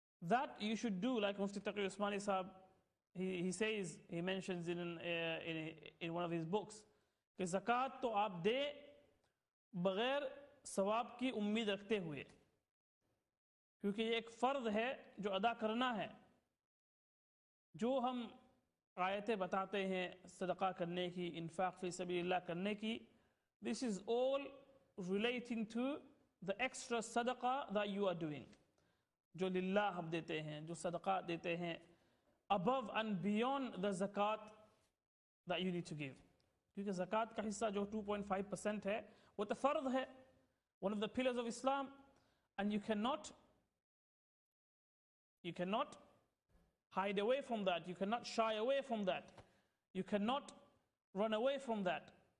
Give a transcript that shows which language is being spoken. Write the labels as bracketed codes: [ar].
[en] that you should do like Mufti Taqi Usmani Sahab he mentions in one of his books [ur] کہ زکوٰۃ تو آپ دے بغیر ثواب کی امید رکھتے ہوئے کیونکہ یہ ایک فرض ہے جو ادا کرنا ہے جو ہم آیتیں بتاتے ہیں صدقہ کرنے کی, انفاق فی سبیل اللہ کرنے کی. [en] This is all relating to the extra sadaqah that you are doing. [ur] جو للہ ہم دیتے ہیں, جو صدقہ دیتے ہیں, [en] above and beyond the zakat that you need to give. [ur] کیونکہ زکات کا حصہ جو 2.5% ہے وہ تو فرض ہے, [en] one of the pillars of Islam, and you cannot hide away from that, you cannot shy away from that, you cannot run away from that.